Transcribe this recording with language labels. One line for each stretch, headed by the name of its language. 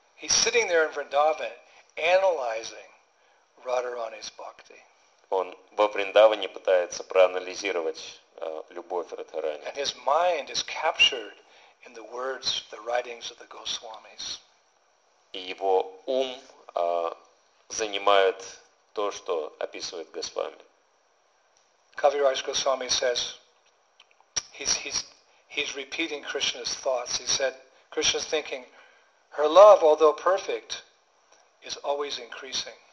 English: He's sitting there in Vrindavan, analyzing Radharani's bhakti.
Russian: Он во Вриндаване пытается проанализировать любовь Радхарани.
English: And his mind is captured in the words, the writings of the Goswamis.
Russian: И его ум занимают то, что описывает Госвами.
English: Кавирадж Госвами says, he's repeating Krishna's thoughts. He said, Krishna's thinking, her love, although perfect, is always increasing.